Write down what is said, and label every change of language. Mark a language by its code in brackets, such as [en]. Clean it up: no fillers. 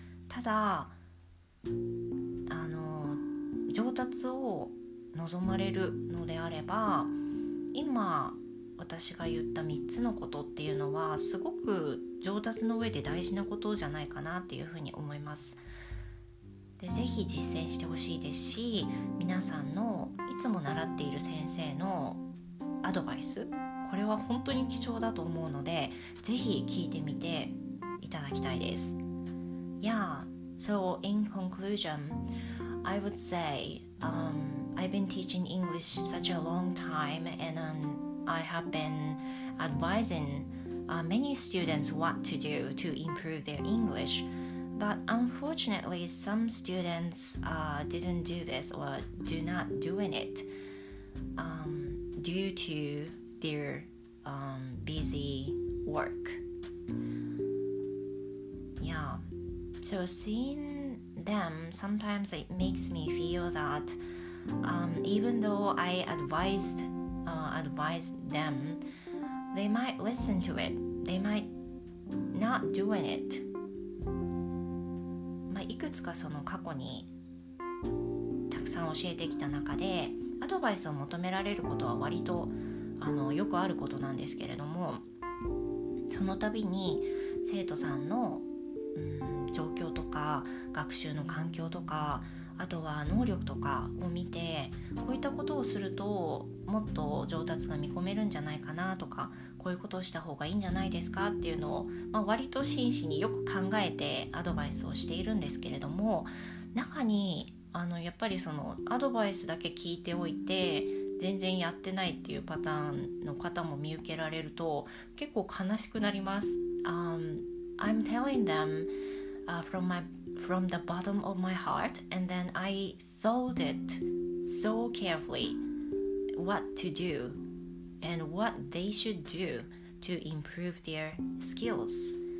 [ja] ただ、あの上達を望まれるのであれば、今私が言った3つのことっていうのはすごく上達の上で大事なことじゃないかなっていうふうに思います。で、ぜひ実践してほしいですし、皆さんのいつも習っている先生のアドバイス、これは本当に貴重だと思うので、ぜひ聞いてみていただきたいです。 [en] Yeah, so in conclusion, I would say I've been teaching English such a long time and I have been advising many students what to do to improve their English. But unfortunately, some students didn't do this or do not doing it due to their busy work. Yeah. So seeing them, sometimes it makes me feel that even though I advised them, they might listen to it. They might not doing it. [ja] まあ、いくつかその過去にたくさん教えてきた中でアドバイスを求められることは割とあのよくあることなんですけれども、その度に生徒さんの状況とか学習の環境とか、あとは能力とかを見て、こういったことをするともっと上達が見込めるんじゃないかなとか、こういうことをした方がいいんじゃないですかっていうのを、まあ、割と真摯によく考えてアドバイスをしているんですけれども、中にあのやっぱりそのアドバイスだけ聞いておいて全然やってないっていうパターンの方も見受けられると結構悲しくなります。 [en] I'm telling them from the bottom of my heart, and then I thought it so carefully what to do and what they should do to improve their skills.